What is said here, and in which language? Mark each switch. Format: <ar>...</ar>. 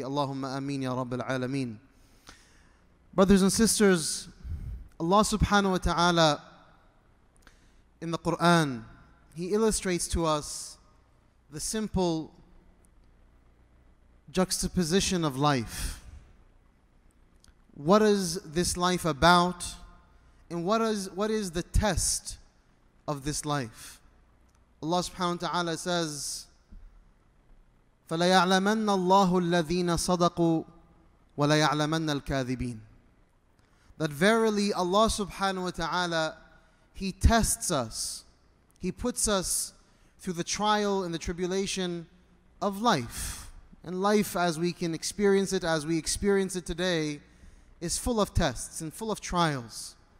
<en>Allahumma ameen ya rabbal alameen. Brothers and sisters, Allah subhanahu wa ta'ala in the Quran, He illustrates to us the simple juxtaposition of life. What is this life about? And what is the test of this life? Allah subhanahu wa ta'ala says,</en> <ar>فَلَيَعْلَمَنَّ اللَّهُ الَّذِينَ صَدَقُوا وَلَيَعْلَمَنَّ الْكَاذِبِينَ.</ar> <en>That verily Allah subhanahu wa ta'ala, He tests us. He puts us through the trial and the tribulation of life. And life as we can experience it, as we experience it today, is full of tests and full of trials.</en>